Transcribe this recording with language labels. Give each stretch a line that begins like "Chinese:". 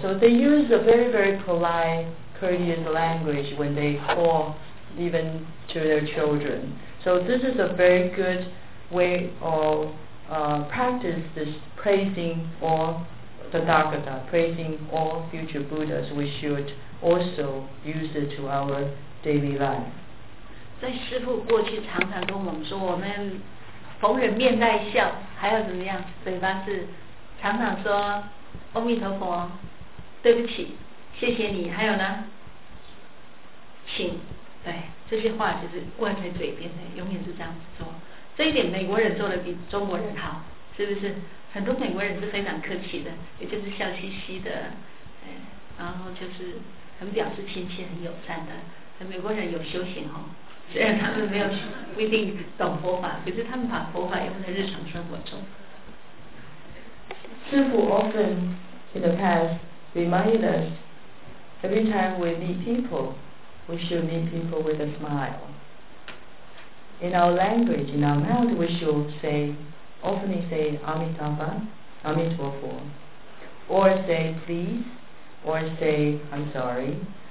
English: So they use a very, very polite, courteous language when they call even to their children. So this is a very good way of practice this praising all the Tathagata, praising all future Buddhas. We should also use it to our daily life.
Chinese: 在师父过去常常跟我们说，我们逢人面带笑，还要怎么样？嘴巴是常常说阿弥陀佛，对不起，谢谢你，还有呢，请，对，这些话就是挂在嘴边的，永远是这样子说。这一点美国人做的比中国人好，是不是？很多美国人是非常客气的，也就是笑嘻嘻的，然后就是很表示亲切、很友善的。美国人有修行哦。虽然他们没有不一定懂佛法，可是他们把佛法用在日常生活中。
English: 师父 often in the past reminded us, every time we meet people, we should meet people with a smile. In our language, in our mouth, we should say, often say Amitabha, Amitabha, or say please, or say I'm sorry.